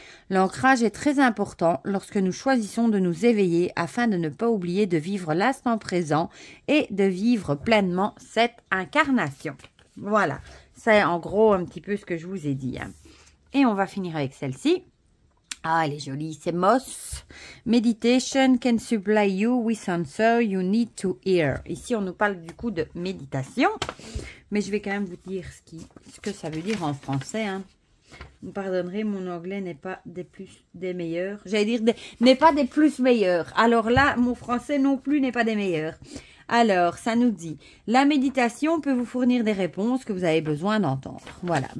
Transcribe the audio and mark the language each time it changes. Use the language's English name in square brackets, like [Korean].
[French] L'ancrage est très important lorsque nous choisissons de nous éveiller afin de ne pas oublier de vivre l'instant présent et de vivre pleinement cette incarnation. Voilà, c'est en gros un petit peu ce que je vous ai dit. Et on va finir avec celle-ci. Ah, elle est jolie, c'est Moss. [English] Meditation can supply you with answers you need to hear. [French] Ici, on nous parle du coup de méditation, mais je vais quand même vous dire ce que ça veut dire en français, hein. Vous pardonnerez, mon anglais n'est pas des plus des meilleurs. J'allais dire n'est pas des plus meilleurs. Alors là, mon français non plus n'est pas des meilleurs. Alors, ça nous dit, la méditation peut vous fournir des réponses que vous avez besoin d'entendre. Voilà.